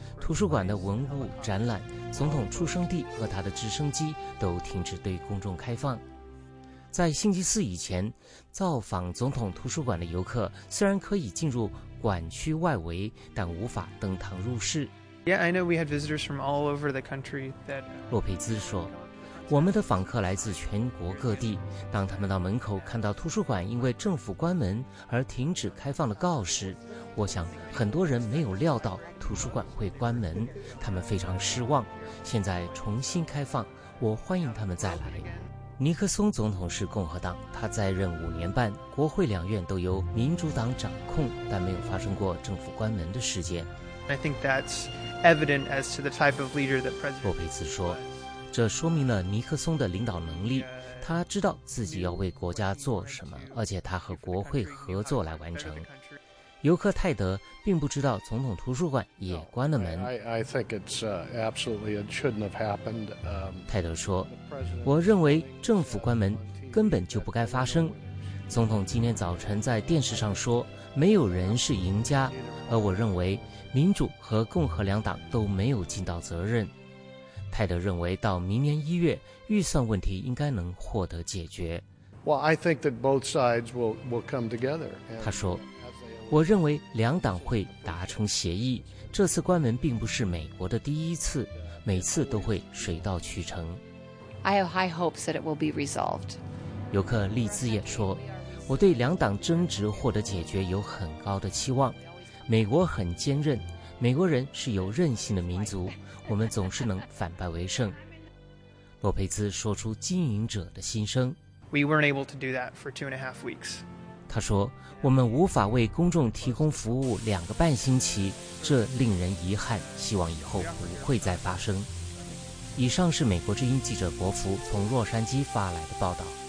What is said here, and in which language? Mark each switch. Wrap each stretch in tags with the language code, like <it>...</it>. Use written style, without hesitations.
<zh>图书馆的文物展览、总统出生地和他的直升机都停止对公众开放。在星期四以前，造访总统图书馆的游客虽然可以进入馆区外围，但无法登堂入室。</zh> <en>Yeah, I know we had visitors from all over the country. That</en> <zh>洛佩兹说，我们的访客来自全国各地。当他们到门口看到图书馆因为政府关门而停止开放的告示，我想很多人没有料到图书馆会关门，他们非常失望。现在重新开放，我欢迎他们再来。尼克松总统是共和党，他在任5年半，国会两院都由民主党掌控，但没有发生过政府关门的事件。</zh> <en>I think that's evident as to the type of leader that President.</en> <zh>洛佩兹说，这说明了尼克松的领导能力。他知道自己要为国家做什么，而且他和国会合作来完成。游客泰德并不知道总统图书馆也关了门。</zh> <en>I think it's absolutely it shouldn't have happened.</en> <zh>泰德说，我认为政府关门根本就不该发生。总统今天早晨在电视上说，没有人是赢家，而我认为民主和共和两党都没有尽到责任。泰德认为到明年一月预算问题应该能获得解决。</zh> <en>Well, I think that both sides will come together.</en> <zh>他说，我认为两党会达成协议。这次关门并不是美国的第一次，每次都会水到渠成。</zh> <en>I have high hopes that it will be resolved.</en> <zh>游客利兹也说，我对两党争执获得解决有很高的期望。美国很坚韧，美国人是有韧性的民族，我们总是能反败为胜。洛佩兹说出经营者的心声。</zh> <en>We weren't able to do that for 2.5 weeks.</en> <zh>他说，我们无法为公众提供服务2.5星期，这令人遗憾，希望以后不会再发生。以上是美国之音记者国福从洛杉矶发来的报道。</zh>